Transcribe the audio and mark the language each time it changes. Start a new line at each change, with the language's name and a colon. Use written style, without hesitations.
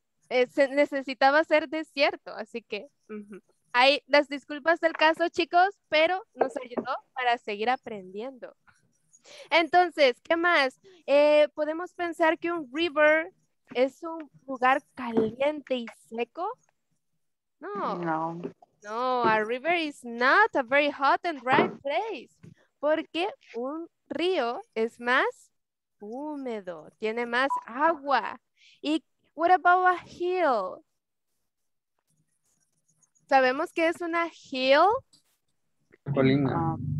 Spanish: Necesitaba ser desierto, así que hay las disculpas del caso, chicos, pero nos ayudó para seguir aprendiendo. Entonces, ¿qué más? ¿Podemos pensar que un river es un lugar caliente y seco? No. No.
English: No, a river is not a very hot and dry place.
Spanish: Porque un río es más húmedo, tiene más agua.
English: ¿Y what about a hill?
Spanish: ¿Sabemos qué es una hill? Colina.